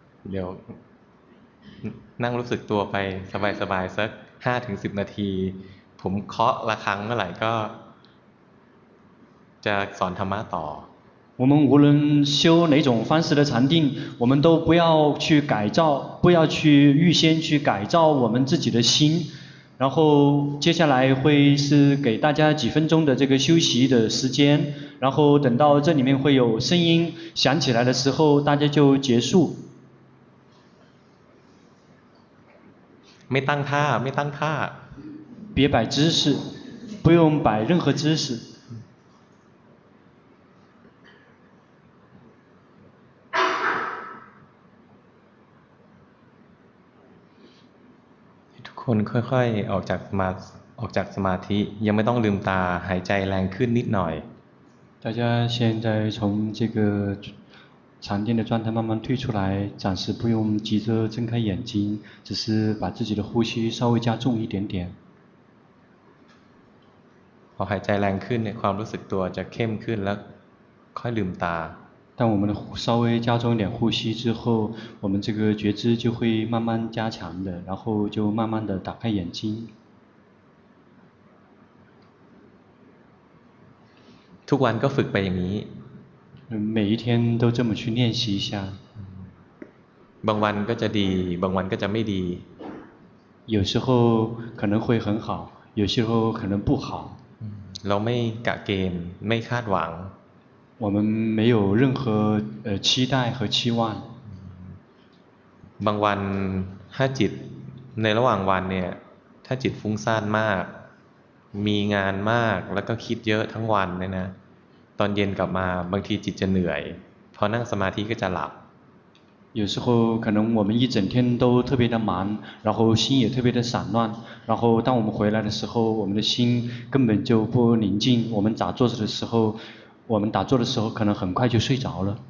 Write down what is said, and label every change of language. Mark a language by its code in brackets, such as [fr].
[th] เดี๋ยวนั่งรู้สึกตัวไปสบายๆสัก 5-10 นาทีผมเคาะละครั้งเมื่อไหร่ก็จะสอนธรรมะต่อ [zh] 我们无论修哪种方式的禅定我们都不要去改造不要去预先去改造我们自己的心然后接下来会是给大家几分钟的这个休息的时间然后等到这里面会有声音响起来的时候大家就结束 [th] ไม่ตั้งท่าไม่ตั้งท่า [zh] 别摆姿势不用摆任何姿势 [th] ทุกคนค่อยๆออกจากสมาธิยังไม่ต้องลืมตาหายใจแรงขึ้นนิดหน่อย [zh] 大家现在从这个禅定的状态慢慢退出来暂时不用急着睁开眼睛只是把自己的呼吸稍微加重一点点 [th] พอหายใจแรงขึ้นเนี่ยความรู้สึกตัวจะเข้มขึ้นแล้วค่อยลืมตา [zh] 当我们稍微加重一点呼吸之后我们这个觉知就会慢慢加强的然后就慢慢的打开眼睛 [th] ทุกวันก็ฝึกไปอย่างนี้ [zh] 每一天都这么去练习一下 [th] บางวันก็จะดีบางวันก็จะไม่ดี [zh] 有时候可能会很好有时候可能不好 [th] เราไม่กะเกณฑ์ไม่คาดหวัง [zh] 我们没有任何期待和期望 [th] บางวันถ้าจิตในระหว่างวันเนี่ยถ้าจิตฟุ้งซ่านมากมีงานมากแล้วก็คิดเยอะทั้งวันเนี่ยนะตอนเย็นกลับมาบางทีจิตจะเหนื่อยพอนั่งสมาธิก็จะหลับ [zh] 有时候可能我们一整天都特别的忙，然后心也特别的散乱，然后当我们回来的时候，我们的心根本就不宁静。我们打坐的时候，可能很快就睡着了。